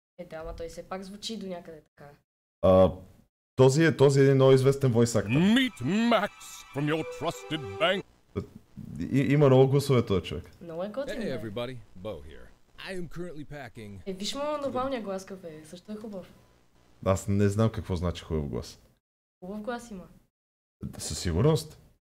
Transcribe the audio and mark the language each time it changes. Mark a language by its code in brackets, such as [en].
[bg] Да, ама той все пак звучи до някъде така. Този е един много известен voice actor. [en] Meet Max from your trusted bank. [bg] Има много гласове този човек. Много е готин. [en] Hey everybody, Bo here. I am currently packing. [bg] Е, виж му нормалния глас какъв е. Също е хубав. Аз не знам какво значи хубав глас. Хубав глас има. Със сигурност.